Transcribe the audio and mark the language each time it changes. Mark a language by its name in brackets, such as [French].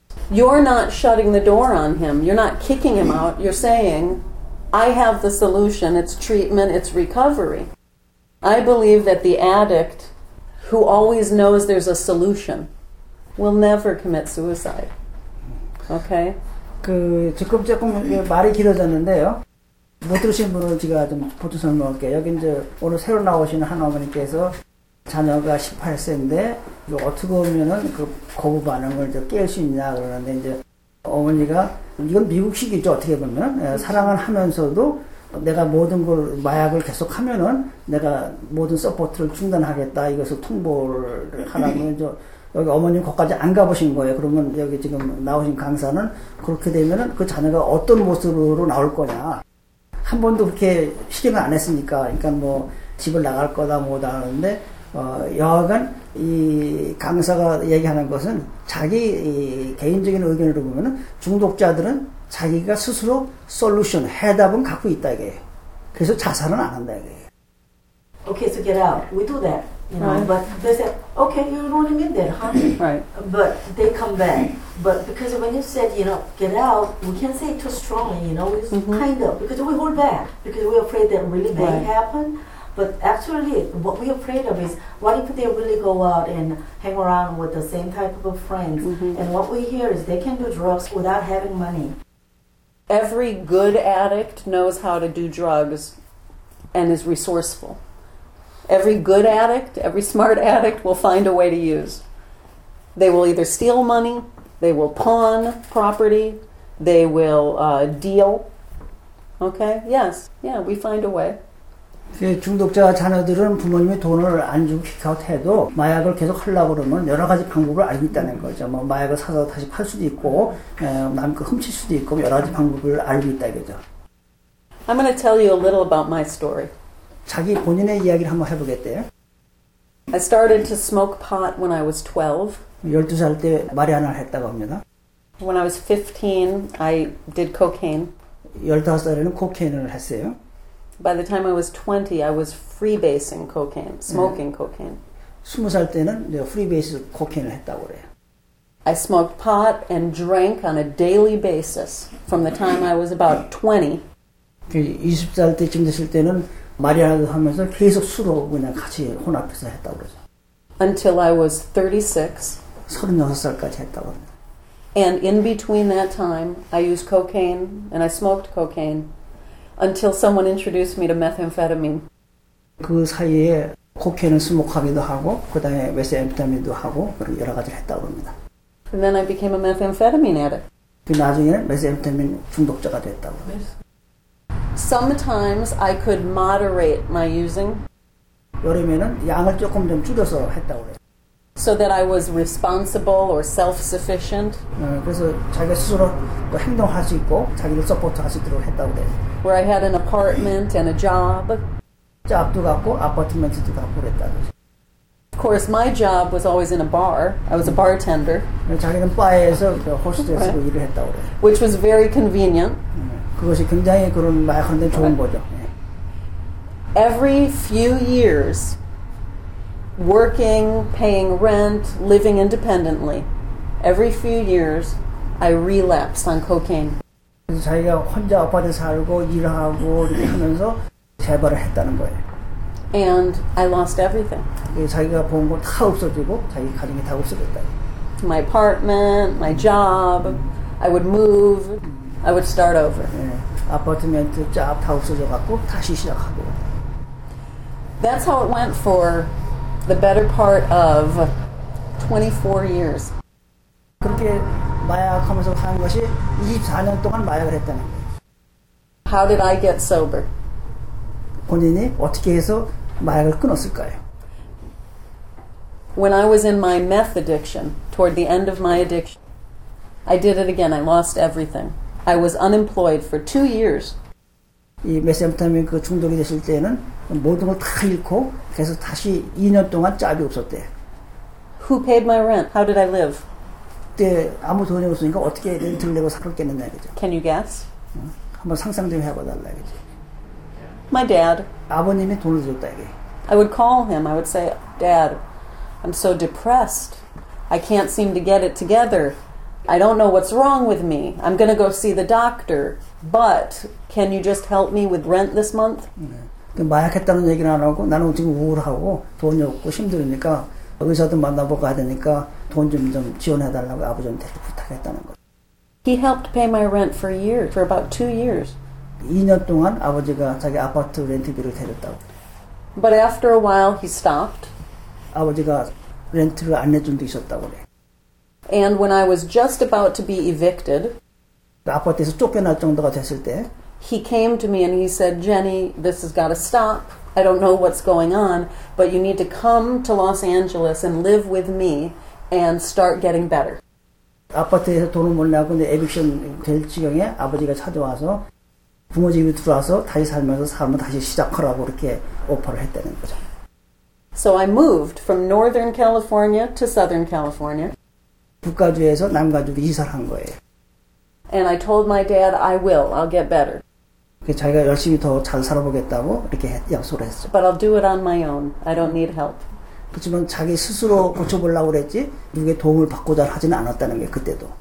[English] You're not shutting the door on him. You're not kicking him out. You're saying, I have the solution. It's treatment. It's recovery. I believe that the addict who always knows there's a solution will never commit suicide. Okay? [Korean] 그 조금 말이 길어졌는데요. 못 들으신 분은 제가 좀 보충 설명할게요. 여기 이제 오늘 새로 나오신 한 어머니께서 자녀가 18세인데 어떻게 보면은 그 거부 반응을 깰 수 있냐 그러는데 이제 어머니가 이건 미국식이죠 어떻게 보면 사랑을 하면서도 내가 모든 걸 마약을 계속 하면은 내가 모든 서포트를 중단하겠다 이것을 통보를 하라고 이제 여기 어머님 거기까지 안 가보신 거예요 그러면 여기 지금 나오신 강사는 그렇게 되면은 그 자녀가 어떤 모습으로 나올 거냐 한 번도 그렇게 실행을 안 했으니까 그러니까 뭐 집을 나갈 거다 뭐다 하는데 여하간 이 강사가 얘기하는 것은 자기 이 개인적인 의견으로 보면은 중독자들은 자기가 스스로 솔루션 해답은 갖고 있다 이게요. 그래서 자살은 안 한다 이게요. [English] Okay, so get out. We do that, you know. Right. But they say, okay, you're running in there, huh? Right. But they come back. But because when you said, you know, get out, we can't say it too strongly, you know. It's mm-hmm. kind of because we hold back because we're afraid that really bad right. happen. But actually, what we're afraid of is, what if they really go out and hang around with the same type of friends? Mm-hmm. And what we hear is they can do drugs without having money. Every good addict knows how to do drugs and is resourceful. Every good addict, every smart addict will find a way to use. They will either steal money, they will pawn property, they will deal. Okay, yes, yeah, we find a way. [Korean] 중독자 자녀들은 부모님이 돈을 안 주고 킥아웃 해도 마약을 계속 하려고 그러면 여러 가지 방법을 알고 있다는 거죠. 뭐 마약을 사서 다시 팔 수도 있고 남껏 훔칠 수도 있고 여러 가지 방법을 알고 있다 이거죠. [English] I'm going to tell you a little about my story. [Korean] 자기 본인의 이야기를 한번 해보겠대요. [English] I started to smoke pot when I was 12. [Korean] 12살 때 마리아나를 했다고 합니다. [English] When I was 15, I did cocaine. [Korean] 15살에는 코케인을 했어요. [English] By the time I was 20, I was freebasing cocaine, smoking cocaine. [Korean] 20살 때는 내가 프리베이스 코케인을 했다고 그래요. [English] I smoked pot and drank on a daily basis from the time I was about 20. [Korean] 20살 때쯤 됐을 때는 마리아나도 하면서 계속 술을 그냥 같이 혼합해서 했다고 그러죠. [English] Until I was 36. [Korean] 36살까지 했다고 합니다. [English] And in between that time, I used cocaine and I smoked cocaine until someone introduced me to methamphetamine. [Korean] 그 사이에 코케인을 스모크하기도 하고 그 다음에 메스앰피타민도 하고 그런 여러 가지를 했다고 합니다. [English] And then I became a methamphetamine addict. [Korean] 나중에는 메스앰피타민 중독자가 됐다고 합니다. [English] Sometimes I could moderate my using. [Korean] 여름에는 양을 조금 좀 줄여서 했다고 해요. [English] So that I was responsible or self-sufficient. [Korean] 그래서 자기 스스로 행동할 수 있고 자기를 서포트할 수 있도록 했다고 해요. [English] Where I had an apartment and a job. [Korean] 집도 갖고 아파트먼트도 갖고 그랬다고 해요. [English] Of course, my job was always in a bar. I was a bartender. [Korean] 자기는 바에서 호스트에서 일을 했다고 해요. [English] Which was very convenient. [Korean] 그것이 굉장히 그런 말 하는데 좋은 거죠. [English] Every few years, working, paying rent, living independently, every few years, I relapsed on cocaine. [Korean] 그래서 자기가 혼자 아파트 살고 일하고 이렇게 하면서 재벌을 했다는 거예요. [English] And I lost everything. [Korean] 자기가 본 거 다 없어지고 자기 가정이 다 없어졌다. [English] My apartment, my job, I would move. I would start over. [Korean] 네, 아파트먼트 쫙 다 없어져 갖고 다시 시작하고. [English] That's how it went for the better part of 24 years. [Korean] 그렇게 마약하면서 사는 것이 24년 동안 마약을 했다는 거예요. [English] How did I get sober? [Korean] 본인이 어떻게 해서 마약을 끊었을까요? [English] When I was in my meth addiction, toward the end of my addiction, I did it again. I lost everything. I was unemployed for 2 years. [Korean] 이 메스앰피타민 그 중독이 됐을 때는 모든 걸 다 잃고 그래서 다시 2년 동안 짭이 없었대. [English] Who paid my rent? How did I live? [Korean] 그때 아무 돈이 없으니까 어떻게 렌트를 내고 살았겠느냐 그죠. [English] Can you guess? [Korean] 한번 상상 좀 해봐달라 그죠. [English] My dad. [Korean] 아버님이 돈을 줬다 이게. [English] I would call him. I would say, Dad, I'm so depressed. I can't seem to get it together. I don't know what's wrong with me. I'm going to go see the doctor. But can you just help me with rent this month? [Korean] 네. 마약했다는 얘기는 안 하고 나는 지금 우울하고 돈이 없고 힘들으니까 의사도 만나보고 가야 되니까 돈 좀 지원해달라고 아버지한테 부탁했다는 거. [English] He helped pay my rent for years, for about 2 years. [Korean] 2년 동안 아버지가 자기 아파트 렌트비를 대줬다고. [English] But after a while he stopped. [Korean] 아버지가 렌트를 안 내준 데 있었다고 그래. [English] And when I was just about to be evicted, [Korean] 아파트에서 쫓겨날 정도가 됐을 때, [English] he came to me and he said, Jenny, this has got to stop. I don't know what's going on, but you need to come to Los Angeles and live with me and start getting better. [Korean] 아파트에서 돈을 못 내고 근데 에빅션 될 지경에 아버지가 찾아와서 부모 집에 들어와서 다시 살면서 삶을 다시 시작하라고 이렇게 오퍼를 했다는 거죠. [English] So I moved from Northern California to Southern California. [Korean] 북가주에서 남가주로 이사를 한 거예요. [English] And I told my dad, I will. I'll get better. [Korean] 자기가 열심히 더 잘 살아보겠다고 이렇게 약속을 했어요. [English] But I'll do it on my own. I don't need help. [Korean] 그렇지만 자기 스스로 고쳐보려고 그랬지 누구의 도움을 받고자 하지는 않았다는 게 그때도.